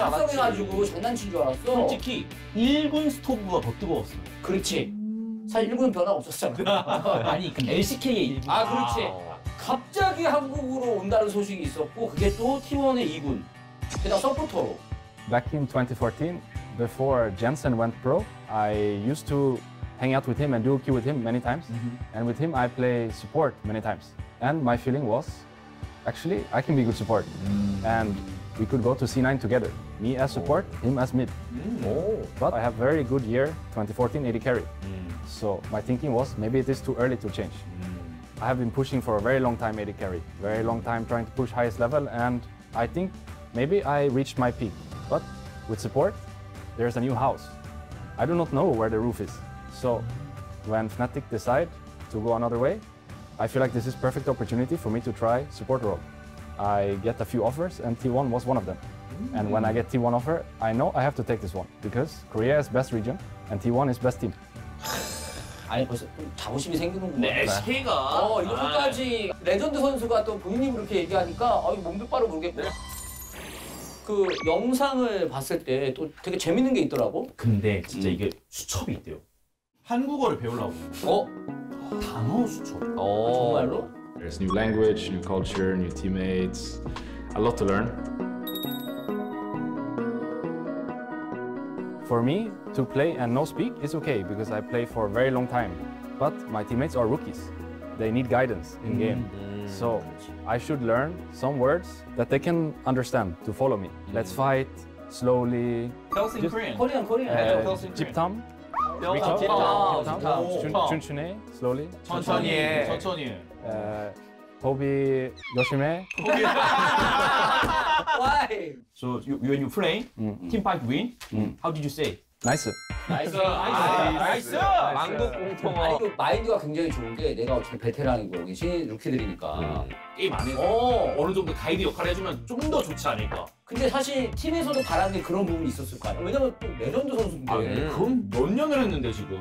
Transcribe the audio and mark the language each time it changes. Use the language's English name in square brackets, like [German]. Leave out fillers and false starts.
[Korean] 합성해가지고 장난친 줄 알았어. 솔직히 1군 스토브가 더 뜨거웠어. 그렇지. 사실 1군은 변화가 없었잖아. 아니, 근데 LCK의 1군. 아, 그렇지. 갑자기 한국으로 온다는 소식이 있었고 그게 또 T1의 2군 게다가 서포터로. [English] Back in 2014, before Jensen went pro, I used to hang out with him and do Q with him many times. Mm-hmm. And with him, I play support many times. And my feeling was, actually, I can be good support. Mm. And we could go to C9 together. Me as support, him as mid. Mm. Oh. But I have very good year 2014 AD carry. Mm. So my thinking was, maybe it is too early to change. Mm. I have been pushing for a very long time AD carry, very long time trying to push highest level. And I think maybe I reached my peak. But with support, there's a new house. I do not know where the roof is. So when Fnatic decide to go another way, I feel like this is perfect opportunity for me to try support role. I get a few offers and T1 was one of them. Mm-hmm. And when I get T1 offer, I know I have to take this one because Korea is best region and T1 is best team. [Korean] 아니 벌써 자부심이 생기는 거 같아. 네, LCK가. 어, 이렇게까지 레전드 선수가 또 본인이 그렇게 얘기하니까 아, 몸도 빠르 모르겠고. 네. 그 영상을 봤을 때 또 되게 재밌는 게 있더라고. 근데 진짜 이게 수첩이 있대요. 한국어를 배우려고. 어? 단어 수첩. 어. 정말로? [English] There's new language, new culture, new teammates. A lot to learn. For me, to play and no speak is okay because I play for a very long time. But my teammates are rookies. They need guidance in game. So I should learn some words that they can understand to follow me. Let's fight slowly. Tell us in just Korean. Korean, Korean. Yeah, tell us in Jip Korean. Tam. [Korean] 미쳐? 미쳐? 춘춘해? Slowly? 천천히 해. 천천히 해. 호비 열심히 해. [English] Why? So, when you play, team fight win, how did you say? Nice. Nice. Nice. [Korean] 망국 공통어. 아니, 그 마인드가 굉장히 좋은 게 내가 어차피 베테랑이고 여기 신루키들이니까 게임 안 해서 어느 정도 가이드 역할을 해주면 좀 더 좋지 않을까. 근데 사실 팀에서도 바라는 게 그런 부분이 있었을 거 아니야. 왜냐면 또 레전드 선수인데. 아, 그건 몇 년을 했는데 지금.